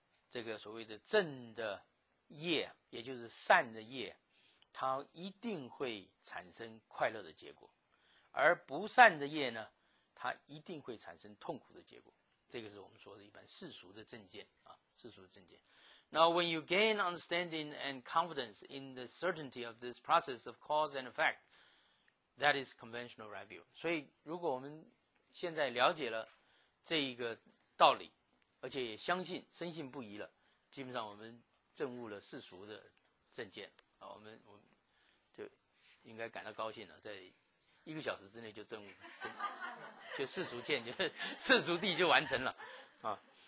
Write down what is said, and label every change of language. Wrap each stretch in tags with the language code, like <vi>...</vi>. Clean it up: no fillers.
<zh>这个所谓的正的业，也就是善的业，它一定会产生快乐的结果。而不善的业呢，它一定会产生痛苦的结果。这个是我们说的一般世俗的正见啊，世俗的正见。</zh> <en>Now when you gain understanding and confidence in the certainty of this process of cause and effect, that is conventional right view.</en> <zh>所以如果我们现在了解了这一个道理，而且也相信，深信不疑了，基本上我们证悟了世俗的正见啊，我们就应该感到高兴了，在一个小时之内就证悟，就世俗见，世俗谛就完成了啊。</zh>